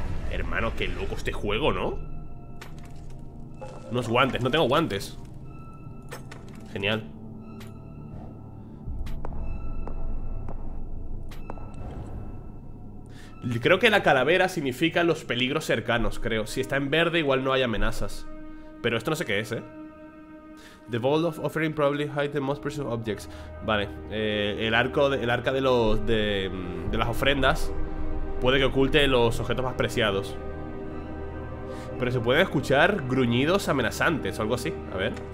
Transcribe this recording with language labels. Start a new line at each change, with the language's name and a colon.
Spanish: Hermano, qué loco este juego, ¿no? Unos guantes, no tengo guantes. Genial. Creo que la calavera significa los peligros cercanos, creo. Si está en verde, igual no hay amenazas. Pero esto no sé qué es, ¿eh?
English: The Vault of Offering probably hides the most precious objects.
Spanish: Vale, el arca de los de las ofrendas puede que oculte los objetos más preciados. Pero se pueden escuchar gruñidos amenazantes o algo así. A ver.